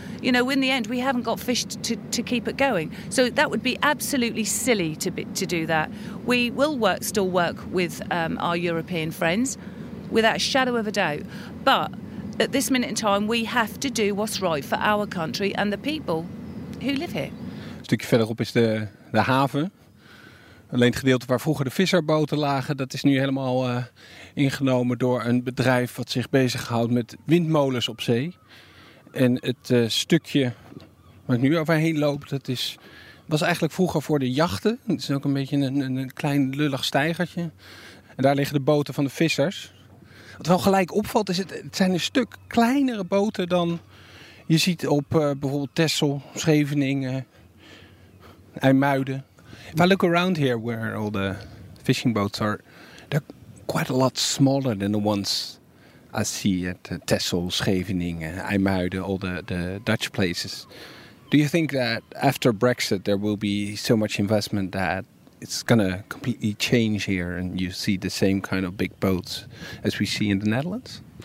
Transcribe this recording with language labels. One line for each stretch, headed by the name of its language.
English: You know, in the end, we haven't got fish to keep it going. So that would be absolutely silly to do that. We will still work with our European friends, without a shadow of a doubt. But at this minute in time, we have to do what's right for our country and the people who live here.
Dutch: Een stukje verderop is de haven. Alleen het gedeelte waar vroeger de visserboten lagen, dat is nu helemaal ingenomen door een bedrijf wat zich bezighoudt met windmolens op zee. En het stukje waar ik nu overheen loop, dat is, was eigenlijk vroeger voor de jachten. Het is ook een beetje een klein lullig steigertje. En daar liggen de boten van de vissers. Wat wel gelijk opvalt, is het zijn een stuk kleinere boten dan je ziet op bijvoorbeeld Texel, Scheveningen, IJmuiden.
English: If I look around here where all the fishing boats are, they're quite a lot smaller than the ones I see at Texel, Scheveningen, IJmuiden, all the Dutch places. Do you think that after Brexit there will be so much investment that it's going to completely change here and you see the same kind of big boats as we see in the Netherlands?